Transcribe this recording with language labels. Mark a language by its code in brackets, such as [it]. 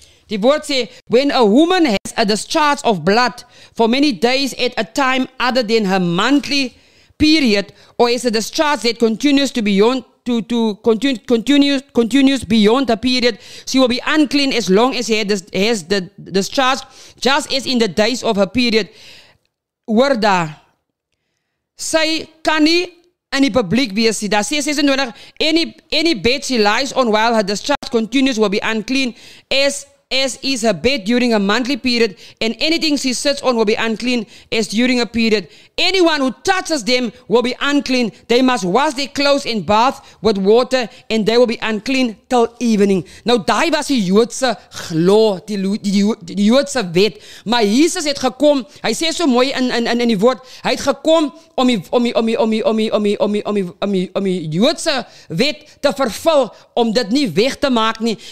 [af] Die woord sê, [en] when a woman has a discharge of blood for many days at a time other than her monthly period, or has a discharge that continues to be beyond continues beyond the period, she will be unclean as long as she has the discharge, just as in the days of her period. [af] Word daar. Sy kan nie in die publiek wees. Daar sê 26, [en] any bed she lies on while her discharge continues will be unclean, as is her bed during a monthly period, and anything she sits on will be unclean as during a period. Anyone who touches them will be unclean. They must wash their clothes and bath with water, and they will be unclean till evening. [af] Nou, daai was die Joodse law, die Joodse wet. Maar Jesus het gekom, hy sê so mooi in die woord, hy het gekom om die Joodse wet te vervul, om dit nie weg te maak nie.